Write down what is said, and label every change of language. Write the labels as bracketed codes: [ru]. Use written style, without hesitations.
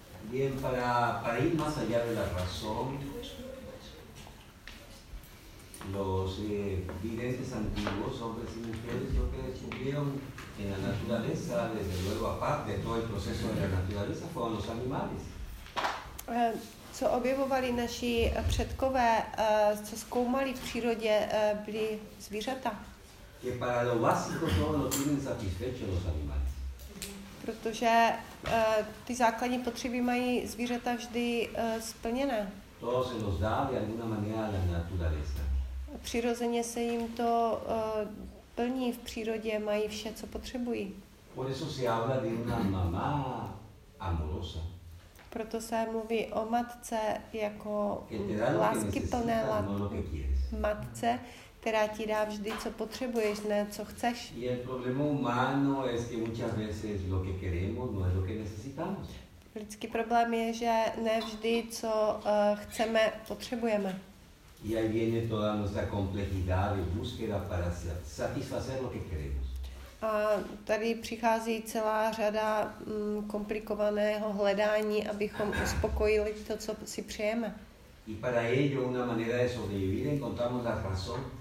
[es] Bien, para ir más allá de la razón, los videntes antiguos, hombres y mujeres, lo que descubrieron en la naturaleza, desde luego, aparte de todo el proceso de la naturaleza, fueron los animales. [cs] Co objevovali naši předkové, co zkoumali v přírodě, byli zvířata. [es] Que para lo básico todo lo tienen satisfecho los animales. [cs] Protože ty základní potřeby mají zvířata vždy splněné. [es] To se nos dá de alguna manera la naturaleza. [cs] Přirozeně se jim to plní v přírodě, mají vše, co potřebují. [es] Por eso se habla de una mamá amorosa. [cs] Proto se mluví o matce jako lásky plné, [es] no lo que quieres. [cs] Matce, která ti dá vždy, co potřebuješ, ne co chceš. [es] Y el problema humano es que muchas veces lo que queremos no es lo que necesitamos. [cs] Lidský problém je, že ne vždy, co chceme, potřebujeme. [es] Y ahí viene toda nuestra complejidad y búsqueda para satisfacer lo que queremos. [cs] A tady přichází celá řada komplikovaného hledání, abychom uspokojili to, co si přejeme. [es] Y para ello una manera de sobrevivir encontramos la razón.